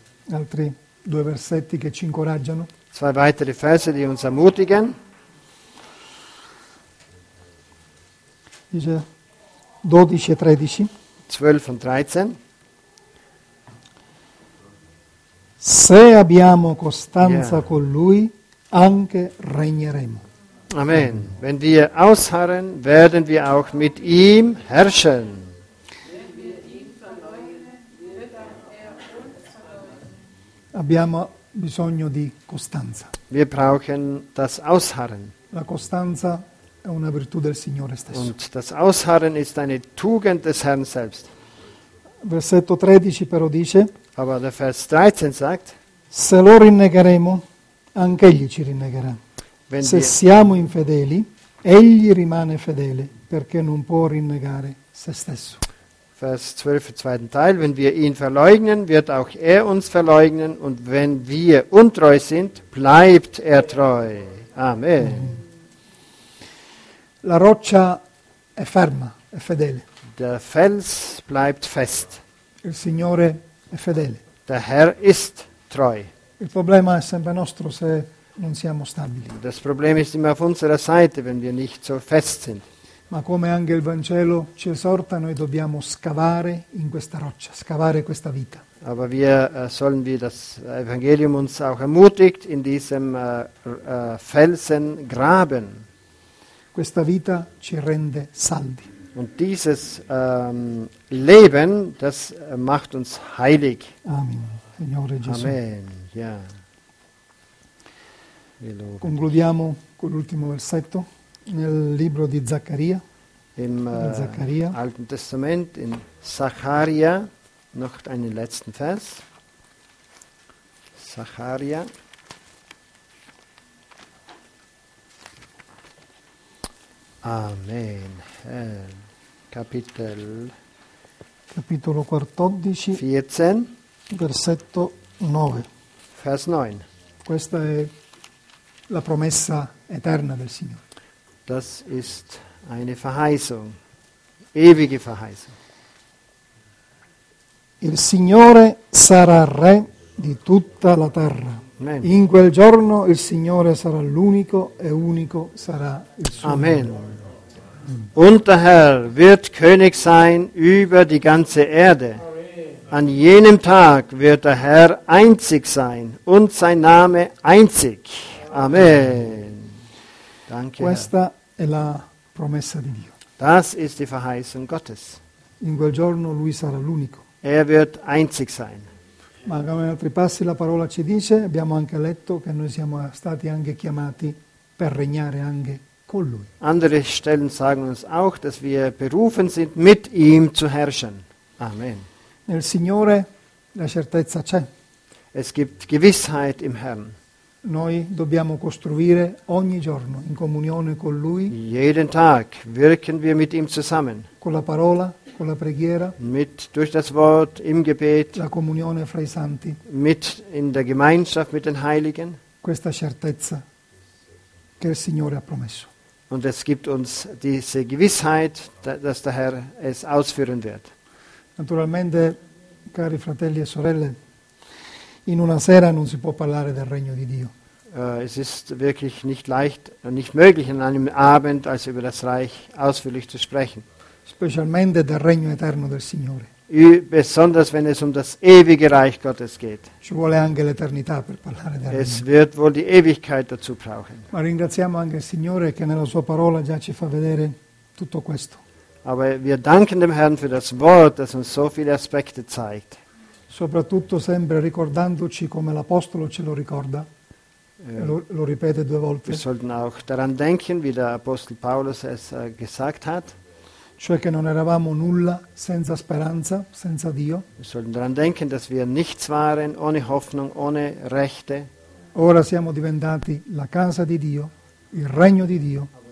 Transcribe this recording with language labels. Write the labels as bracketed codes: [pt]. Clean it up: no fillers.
[it] Altri due versetti che ci incoraggiano. [de] Zwei weitere Verse, die uns ermutigen. [it] Dice 12 e 13. [de] 12 und 13. [it] Se abbiamo costanza con lui, anche regneremo. Amen. [de] Wenn wir ausharren, werden wir auch mit ihm herrschen. Wenn wir ihn verleugnen, wird er uns verleugnen. [it] Abbiamo bisogno di costanza. [de] Wir brauchen das Ausharren. [it] La costanza è una virtù del Signore stesso. [de] Und das Ausharren ist eine Tugend des Herrn selbst. [it] Versetto 13 però dice. [de] Aber der Vers 13 sagt, [it] se lo rinnegheremo, anche egli ci rinnegherà. Se siamo infedeli, egli rimane fedele, perché non può rinnegare se stesso. [de] Vers 12, zweiten Teil, wenn wir ihn verleugnen, wird auch er uns verleugnen, und wenn wir untreu sind, bleibt er treu. Amen. [it] La roccia è ferma, è fedele. [de] Der Fels bleibt fest. [it] Il Signore è fedele. [de] Der Herr ist treu. [it] Il problema è sempre nostro se non siamo stabili. [de] Das Problem ist immer auf unserer Seite, wenn wir nicht so fest sind. [it] Ma come anche il Vangelo ci esorta, noi dobbiamo scavare in questa roccia, scavare questa vita. [de] Aber wir sollen, wie das Evangelium uns auch ermutigt, in diesem Felsen graben. [it] Questa vita ci rende saldi. [de] Und dieses Leben, das macht uns heilig. [it] Amen. Signore Gesù. Amen. Ja. Concludiamo con l'ultimo versetto nel libro di Zaccaria. [de] Im Zaccaria. Alten Testament, in Zaccaria, noch einen letzten Vers. Zaccaria. Amen. [it] Capitolo 14, 14, versetto 9. [de] Vers 9. [it] Questa è la promessa eterna del Signore. [de] Das ist eine Verheißung, ewige Verheißung. [it] Il Signore sarà re di tutta la terra. Amen. In quel giorno il Signore sarà l'unico e unico sarà il suo. Amen. Mm. [de] Und der Herr wird König sein über die ganze Erde. An jenem Tag wird der Herr einzig sein und sein Name einzig. Amen. Danke. [it] Questa è la promessa di Dio. [de] Das ist die Verheißung Gottes. [it] In quel giorno lui sarà l'unico. [de] Er wird einzig sein. [it] Ma come in altri passi la parola ci dice, abbiamo anche letto che noi siamo stati anche chiamati per regnare anche con lui. [de] Andere Stellen sagen uns auch, dass wir berufen sind, mit ihm zu herrschen. Amen. [it] Nel Signore la certezza c'è. [de] Es gibt Gewissheit im Herrn. [it] Noi dobbiamo costruire ogni giorno in comunione con lui. [de] Jeden Tag wirken wir mit ihm zusammen. [it] Con la parola, con la preghiera. [de] Mit, durch das Wort, im Gebet. [it] La comunione fra i santi. [de] Mit, in der Gemeinschaft mit den Heiligen. [it] Questa certezza che il Signore ha promesso. [de] Und es gibt uns diese Gewissheit, dass der Herr es ausführen wird. [it] Naturalmente, cari fratelli e sorelle, in una sera non si può parlare del regno di Dio. [de] Es ist wirklich nicht leicht und nicht möglich in einem Abend also über das Reich ausführlich zu sprechen. [it] Specialmente del regno eterno del Signore. [de] Besonders wenn es um das ewige Reich Gottes geht. [it] Ci vuole anche l'eternità per parlare del regno. [de] Es wird wohl die Ewigkeit dazu brauchen. [it] Ma ringraziamo anche il Signore che nella sua parola già ci fa vedere tutto questo. [de] Aber wir danken dem Herrn für das Wort, das uns so viele Aspekte zeigt. [it] Soprattutto sempre ricordandoci come l'Apostolo ce lo ricorda, lo ripete due volte. [de] Wir sollten auch daran denken, wie der Apostel Paulus es gesagt hat. [it] Cioè che non eravamo nulla senza speranza, senza Dio. [de] Wir sollten daran denken, dass wir nichts waren, ohne Hoffnung, ohne Rechte. [it] Ora siamo diventati la casa di Dio, il regno di Dio.